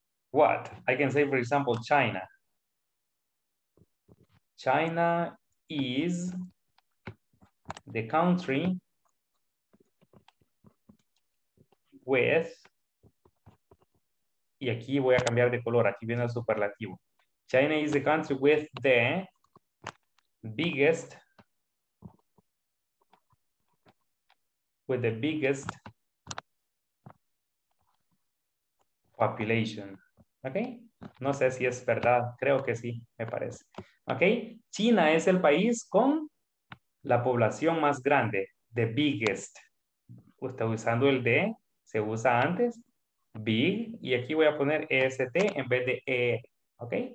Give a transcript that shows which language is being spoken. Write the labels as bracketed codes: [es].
[en] What? I can say, for example, China. China is the country with [es] y aquí voy a cambiar de color, aquí viene el superlativo. [en] China is the country with the biggest, with the biggest population. ¿Ok? [es] No sé si es verdad, creo que sí, me parece. ¿Ok? China es el país con la población más grande, the biggest. Está usando el de, se usa antes, big, y aquí voy a poner est en vez de er, ¿ok?